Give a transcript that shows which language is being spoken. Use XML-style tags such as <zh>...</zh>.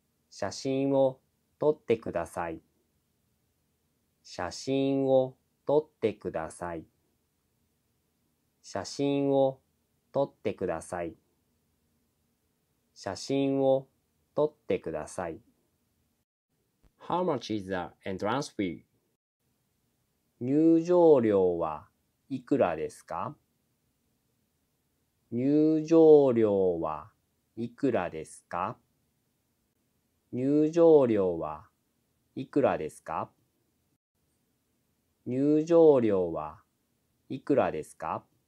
<ja>写真を撮ってください。写真を撮ってください。写真を撮ってください。写真を撮ってください。</ja> <en>How much is the entrance fee?</en> <ja>入場料はいくらですか？入場料はいくらですか？入場料はいくらですか？入場料はいくらですか？</ja>